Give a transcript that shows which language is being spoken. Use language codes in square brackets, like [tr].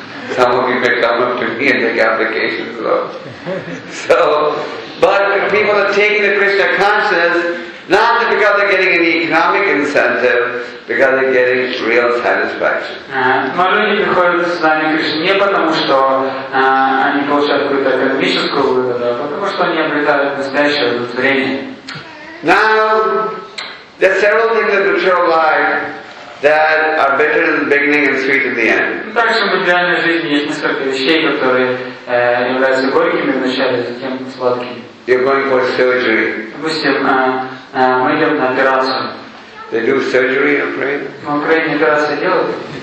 [en] Some of you may come up to me and make applications though. So, but people are taking the Krishna consciousness not because they're getting any economic incentive, because they're getting real satisfaction. [ru] Но люди приходят в сознание Кришны не потому, что они получают какую-то экономическую выгоду, а потому что они обретают настоящее удовлетворение. [en] Now, there are several things in the material life that are bitter in the beginning and sweet in the end. [ru] Также в материальной жизни есть несколько вещей, которые являются горькими в начале, затем сладкими. [en] You're going for surgery. [ru] Допустим, мы идем на операцию. [en] They do surgery in Ukraine? [ru] В Украине операции делают?